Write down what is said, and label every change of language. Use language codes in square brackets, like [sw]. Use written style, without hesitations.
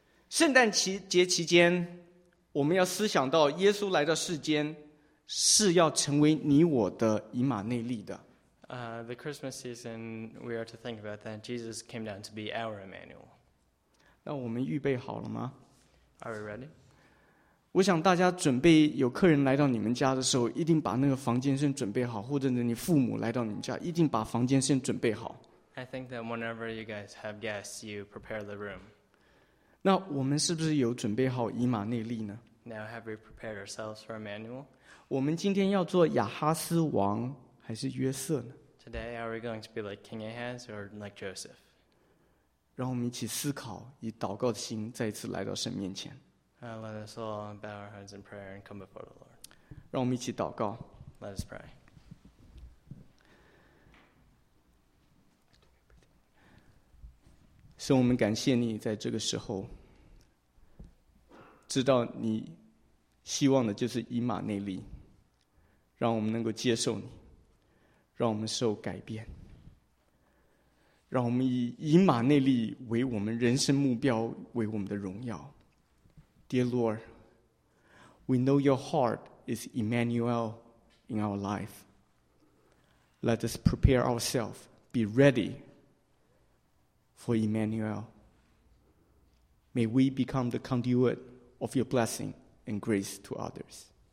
[zh] 圣诞节期间，我们要思想到耶稣来到世间是要成为你我的以马内利的。 [en] The Christmas season, we are to think about that Jesus came down to be our Emmanuel. [zh] 那我们预备好了吗 [en] ？Are we ready? [zh] 我想大家准备有客人来到你们家的时候，一定把那个房间先准备好，或者你父母来到你们家，一定把房间先准备好。 [en] I think that whenever you guys have guests, you prepare the room. [zh] 那我们是不是有准备好以马内利呢 [en] ？Now have we prepared ourselves for Emmanuel? [zh] 我们今天要做亚哈斯王还是约瑟呢 [en] ？Today are we going to be like King Ahaz or like Joseph? [zh] 让我们一起思考，以祷告的心再一次来到神面前。 [en] Let us all bow our heads in prayer and come before the Lord. [zh] 让我们一起祷告。 [en] Let us pray. [zh] 神，我们感谢你在这个时候知道你希望的就是以马内利，让我们能够接受你，让我们受改变，让我们以马内利为我们人生目标，为我们的荣耀。 [en] Dear Lord, we know your heart is Emmanuel in our life. Let us prepare ourselves, be readyFor Emmanuel, may we become the conduit of your blessing and grace to others.